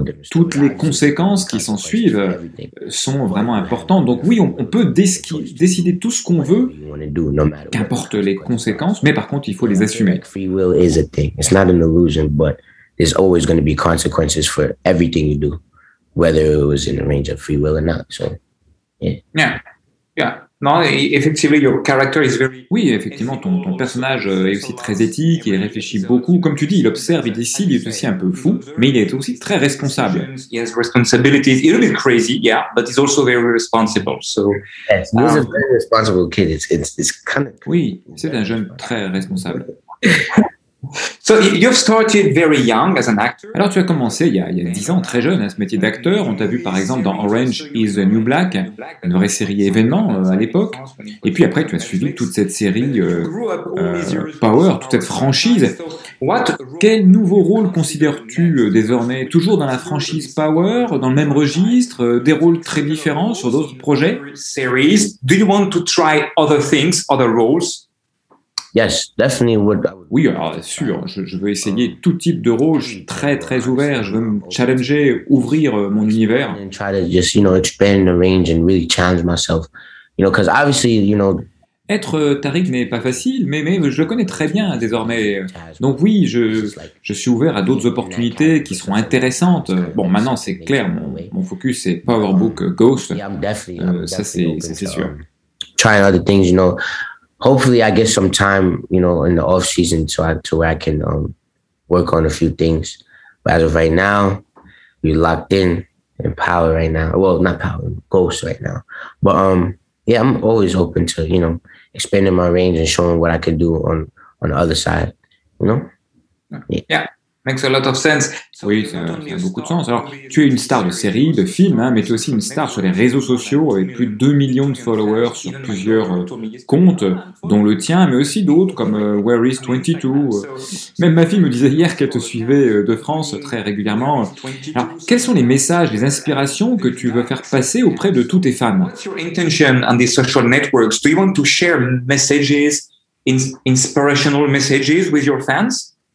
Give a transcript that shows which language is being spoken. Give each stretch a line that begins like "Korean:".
French: Toutes les conséquences qui s'en suivent sont vraiment importantes. Donc oui, on peut décider tout ce qu'on veut, qu'importe les conséquences, mais par contre, il faut les assumer.
English: Free will is a thing. It's not an illusion, but there's always going to be consequences for everything you do, whether it was in the range of free will or not. So, yeah. Yeah.
French: Non, effectivement,
English: your character is very.
French: Oui, effectivement, ton personnage est aussi très éthique et réfléchit beaucoup. Comme tu dis, il observe, il décide, il est aussi un peu fou, mais il est aussi très responsable.
English: He has responsibilities. He's a bit crazy, yeah, but he's also very responsible. So. Yes, he's a very responsible kid. It's kind of.
French: Oui, c'est un jeune très responsable.
English: So you've started very young as an actor.
French: Alors tu as commencé il y a 10 ans, très jeune, à ce métier d'acteur. On t'a vu par exemple dans Orange is the New Black, une vraie série événement à l'époque. Et puis après, tu as suivi toute cette série Power, toute cette franchise. Quel nouveau rôle considères-tu désormais? Toujours dans la franchise Power, dans le même registre, des rôles très différents sur d'autres projets?
English: Do you want to try other things, other roles? Yes, definitely would.
French: Oui, alors, sûr, je veux essayer tout type de rôle, je suis très très ouvert, je veux me challenger, ouvrir mon univers.
English: And try to just, you know, expand the range and really challenge myself. You know, because obviously, you know.
French: Être Tariq n'est pas facile, mais je le connais très bien désormais. Donc oui, je suis ouvert à d'autres opportunités qui seront intéressantes. Bon, maintenant c'est clair, mon focus c'est Power Book Ghost. Ça c'est sûr.
English: Try other things, you know. Hopefully, I get some time, you know, in the off season, so I can work on a few things. But as of right now, we're locked in Power right now. Well, not Power, Ghost right now. But yeah, I'm always open to, you know, expanding my range and showing what I can do on the other side. You know. Yeah. Yeah. Makes a lot of sense.
French: Oui, ça a beaucoup de sens. Alors, tu es une star de série, de film, hein, mais tu es aussi une star sur les réseaux sociaux avec plus de 2 millions de followers sur plusieurs comptes, dont le tien, mais aussi d'autres comme Where is 22. Même ma fille me disait hier qu'elle te suivait de France très régulièrement. Alors, quels sont les messages, les inspirations que tu veux faire passer auprès de tous tes fans?
English: What's your intention on these social networks? Do you want to share messages, inspirational messages with your fans?